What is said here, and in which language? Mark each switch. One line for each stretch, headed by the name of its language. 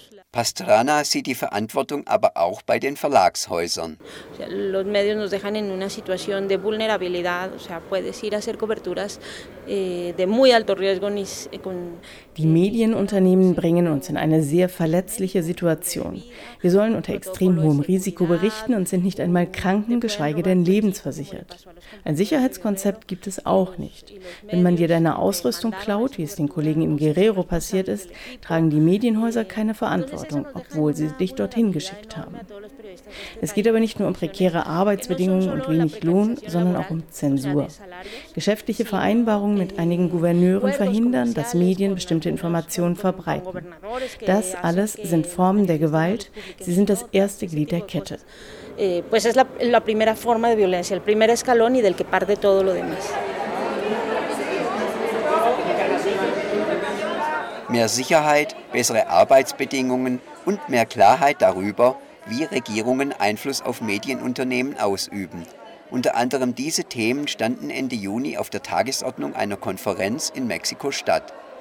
German: Pastrana sieht die Verantwortung aber auch bei den Verlagshäusern.
Spanish: Los medios nos dejan en una situación de vulnerabilidad, o sea, puedes ir a hacer coberturas de muy alto riesgo.
German: Die Medienunternehmen bringen uns in eine sehr verletzliche Situation. Wir sollen unter extrem hohem Risiko berichten und sind nicht einmal kranken, geschweige denn lebensversichert. Ein Sicherheitskonzept gibt es auch nicht. Wenn man dir deine Ausrüstung klaut, wie es den Kollegen im Guerrero passiert ist, tragen die Medienhäuser keine Verantwortung, obwohl sie dich dorthin geschickt haben. Es geht aber nicht nur um prekäre Arbeitsbedingungen und wenig Lohn, sondern auch um Zensur. Geschäftliche Vereinbarungen mit einigen Gouverneuren verhindern, dass Medien bestimmte Informationen verbreiten. Das alles sind Formen der Gewalt. Sie sind das erste Glied der Kette.
Spanish: Pues es la primera forma de violencia, el primer escalón y del que parte todo lo demás.
German: Mehr Sicherheit, bessere Arbeitsbedingungen und mehr Klarheit darüber, wie Regierungen Einfluss auf Medienunternehmen ausüben. Unter anderem diese Themen standen Ende Juni auf der Tagesordnung einer Konferenz in Mexiko-Stadt.